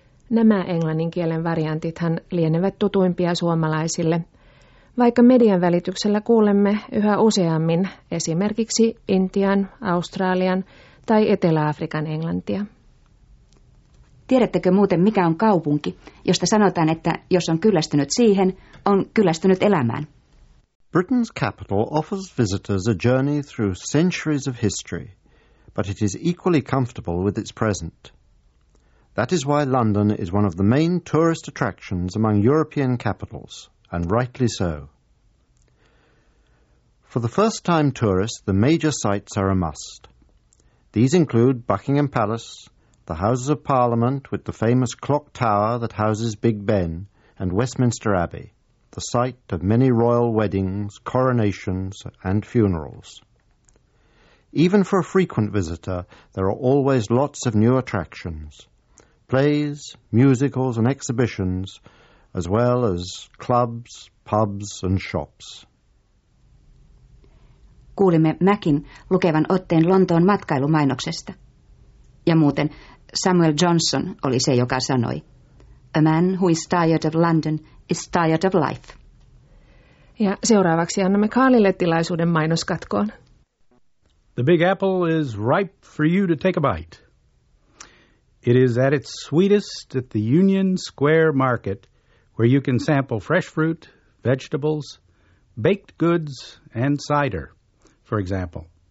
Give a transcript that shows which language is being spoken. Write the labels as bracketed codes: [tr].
[fi] Nämä englannin kielen varianttithan lienevät tutuimpia suomalaisille, vaikka median välityksellä kuulemme yhä useammin esimerkiksi Intian, Australian tai Etelä-Afrikan englantia. Tiedättekö muuten, mikä on kaupunki, josta sanotaan, että jos on kyllästynyt siihen, on kyllästynyt elämään? [en] Britain's capital offers visitors a journey through centuries of history, but it is equally comfortable with its present. That is why London is one of the main tourist attractions among European capitals, and rightly so. For the first-time tourist, the major sites are a must. These include Buckingham Palace, the Houses of Parliament with the famous clock tower that houses Big Ben, and Westminster Abbey, the site of many royal weddings, coronations, and funerals. Even for a frequent visitor, there are always lots of new attractions, plays, musicals, and exhibitions, as well as clubs, pubs, and shops. [fi] Kuulimme Mackin lukevan otteen Lontoon matkailumainoksesta. Ja muuten, Samuel Johnson oli se, joka sanoi, [en] "A man who is tired of London is tired of life." [fi] Ja seuraavaksi annamme Carlille tilaisuuden mainoskatkoon. [en] The Big Apple is ripe for you to take a bite. It is at its sweetest at the Union Square Market, where you can sample fresh fruit, vegetables, baked goods, and cider, for example.